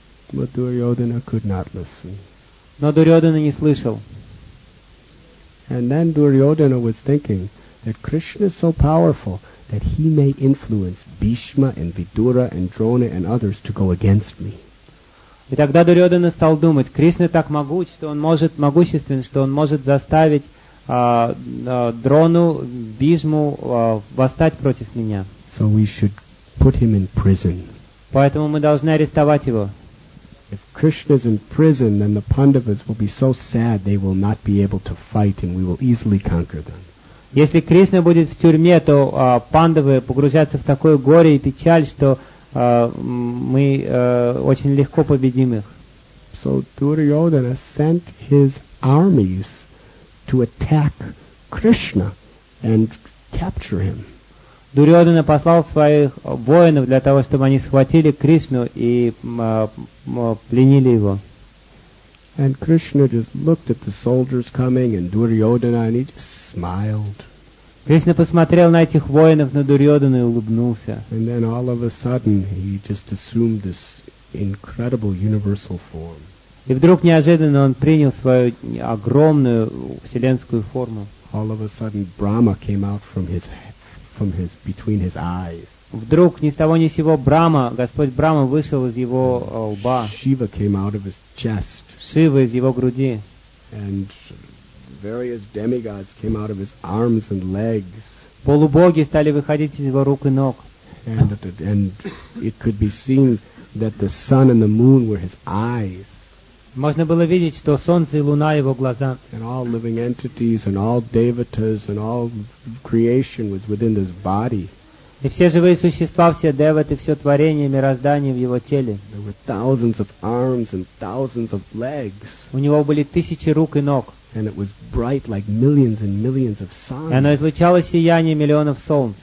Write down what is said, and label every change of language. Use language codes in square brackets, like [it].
[en] But Duryodhana could not listen. [ru] Но Дурьодхана не слышал. [en] And then Duryodhana was thinking that Krishna is so powerful that he may influence Bhishma and Vidura and Drona and others to go against me. [ru] И тогда Дурьодхана стал думать, Кришна так могуч, что он может, могущественен, что он может заставить Дрону, Бхишму восстать против меня. [en] So we should put him in prison. [ru] Поэтому мы должны арестовать его. [en] If Krishna is in prison, then the Pandavas will be so sad they will not be able to fight, and we will easily conquer them. [ru] Если Кришна будет в тюрьме, то пандавы погрузятся в такое горе и печаль, что мы очень легко победим их. [en] So Duryodhana sent his armies to attack Krishna and capture him. [ru] Дурьодхана послал своих воинов для того, чтобы они схватили Кришну и пленили его. [en] And Krishna just looked at the soldiers coming and Duryodhana and he just smiled. [ru] Кришна посмотрел на этих воинов, на Дурьодхана и улыбнулся. [en] And then all of a sudden he just assumed this incredible universal form. [ru] И вдруг неожиданно он принял свою огромную вселенскую форму. [en] All of a sudden, Brahma came out from his between his eyes. [ru] Вдруг ни с того ни с сего Брама, Господь Брама вышел из его лба. [en] Shiva came out of his chest. [ru] Шива из его груди. [en] And various demigods came out of his arms and legs. [ru] Полубоги стали выходить из его рук и ног. [en] And it could be seen that the sun and the moon were his eyes. [ru] Можно было видеть, что солнце и луна его глаза. [en] And all living entities and all devatas and all creation was within this body. [ru] И все живые существа, все деваты, все творение, мироздание в его теле. [en] There were thousands of arms and thousands of legs. [ru] У него были тысячи рук и ног. [en] And it was bright like millions and millions of suns. [ru] И оно излучало сияние миллионов солнц.